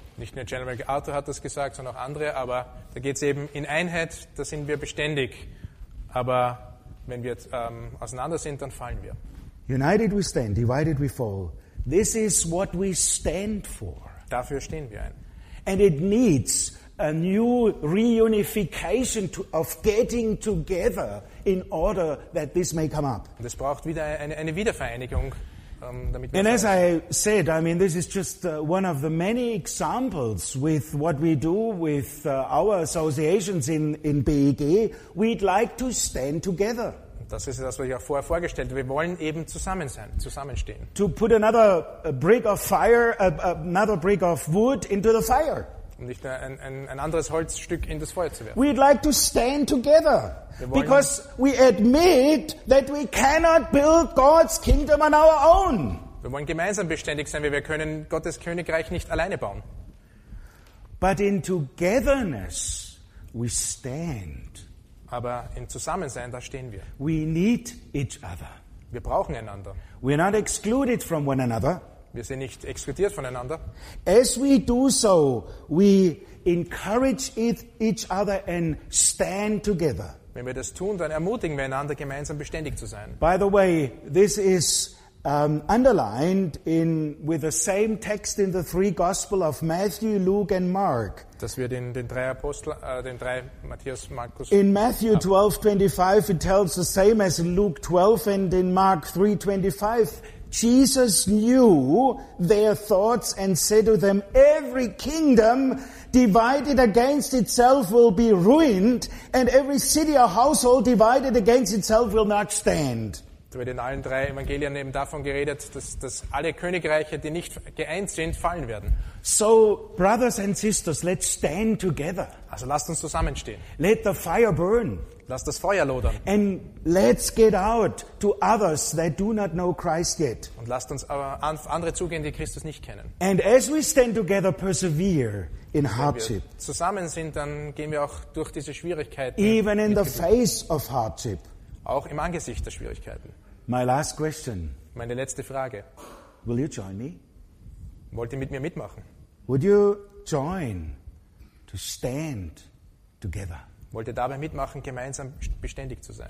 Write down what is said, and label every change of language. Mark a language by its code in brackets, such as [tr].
[de] Nicht nur General MacArthur hat das gesagt, sondern auch andere, aber da geht es eben in Einheit, da sind wir beständig. Aber wenn wir auseinander sind, dann fallen wir. [en] United we stand, divided we fall. This is what we stand for. [de] Dafür stehen wir ein. [en] And it needs a new reunification of getting together in order that this may come up. [de] Und es braucht wieder eine Wiedervereinigung. [en] And as I said, I mean, this is just one of the many examples with what we do with our associations in BEG. We'd like to stand together. [de] Das ist das, was ich auch vorher vorgestellt habe. Wir wollen eben zusammen sein, zusammenstehen. [en] To put another brick of fire, another brick of wood into the fire. [de] Um nicht ein anderes Holzstück in das Feuer zu werfen. [en] We'd like to stand together. Because we admit that we cannot build God's kingdom on our own. [de] Wir wollen gemeinsam beständig sein, weil wir können Gottes Königreich nicht alleine bauen. [en] But in togetherness we stand. [de] Aber im Zusammensein, da stehen wir. [en] We need each other. [de] Wir brauchen einander. [en] We are not excluded from one another. [de] Wir sind nicht exkludiert voneinander. [en] As we do so, we encourage each other and stand together. [de] Wenn wir das tun, dann ermutigen wir einander, gemeinsam beständig zu sein. [en] By the way, this is underlined in with the same text in the three Gospel of Matthew, Luke and Mark. [de] Das wird in den drei Apostel, den drei Matthäus, Markus. [en] In Matthew 12:25, it tells the same as in Luke 12 and in Mark 3:25. Jesus knew their thoughts and said to them, "Every kingdom divided against itself will be ruined, and every city or household divided against itself will not stand." [de] Da wird in allen drei Evangelien eben davon geredet, dass alle Königreiche, die nicht geeint sind, fallen werden. [en] So, brothers and sisters, let's stand together. [de] Also lasst uns zusammenstehen. [en] Let the fire burn. [de] Lasst das Feuer lodern. [en] And let's get out to others that do not know Christ yet. [de] Und lasst uns aber andere zugehen, die Christus nicht kennen. [en] And as we stand together, persevere in hardship. [de] Wenn wir zusammen sind, dann gehen wir auch durch diese Schwierigkeiten. [en] Even in the face of hardship. [de] Auch im Angesicht der Schwierigkeiten. [en] My last question. [de] Meine letzte Frage. [en] Will you join me? [de] Wollt ihr mit mir mitmachen? [en] Would you join to stand together? [de] Wollt ihr dabei mitmachen, gemeinsam beständig zu sein?